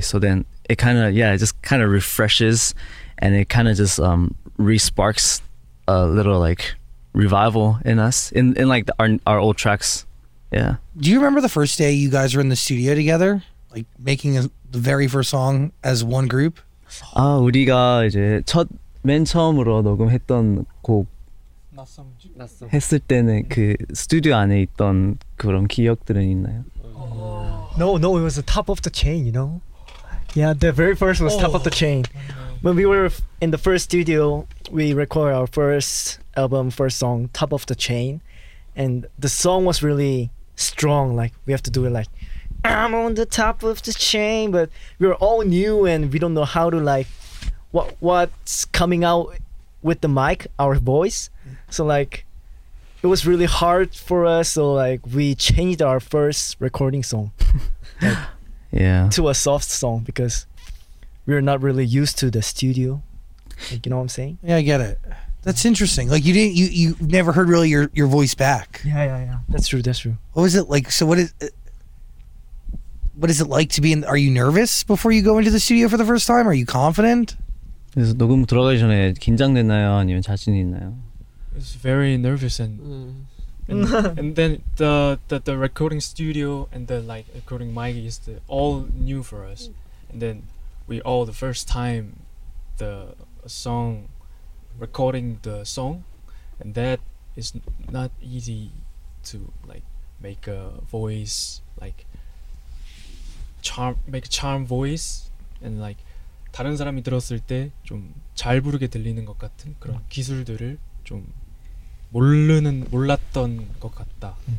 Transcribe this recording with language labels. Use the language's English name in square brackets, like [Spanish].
[English] So then it kind of, yeah, it just kind of refreshes and it kind of just re-sparks a little like revival in us in like our old tracks. Yeah. Do you remember the first day you guys were in the studio together, like making the very first song as one group? [Korean] 아, 우리가 이제 첫 맨 처음으로 녹음했던 곡 났어. 했을 때는 그 스튜디오 안에 있던 그런 기억들은 있나요? [English] No, it was the top of the chain, you know. Yeah, the very first was top of the chain. When we were in the first studio, we recorded our first album, first song, Top of the Chain. And the song was really strong, like we have to do it like I'm on the top of the chain, but we're all new and we don't know how to like what's coming out with the mic, our voice. So like it was really hard for us, so like we changed our first recording song like, yeah, to a soft song because we're not really used to the studio, like, you know what I'm saying? Yeah, I get it. That's interesting. Like you never heard really your voice back. Yeah. That's true. What was it like? So what is it like to be in? Are you nervous before you go into the studio for the first time? Are you confident? [Korean] 그래서 녹음 들어가기 전에 긴장됐나요? 아니면 자신 있나요? [English] It's very nervous and then the recording studio and the like recording mic is all new for us, and then we all the first time the song. Recording the song, and that is not easy to like make a voice like charm voice and like [Korean] 다른 사람이 들었을 때 좀 잘 부르게 들리는 것 같은 그런 기술들을 좀 몰랐던 것 같다.